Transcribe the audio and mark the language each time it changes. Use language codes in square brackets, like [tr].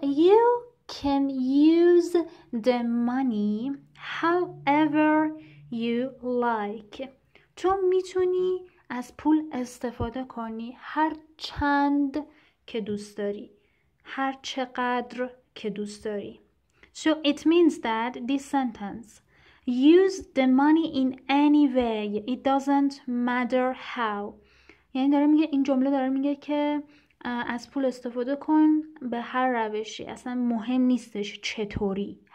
[en] You can use the money however you like. [fa] تو میتونی از پول استفاده کنی هر چند که دوست داری، هر چقدر که دوست داری. [en] So it means that this sentence, use the money in any way, it doesn't matter how. [fa] یعنی داره میگه، این جمله داره میگه که از پول استفاده کن به هر روشی، اصلا مهم نیستش چطوری.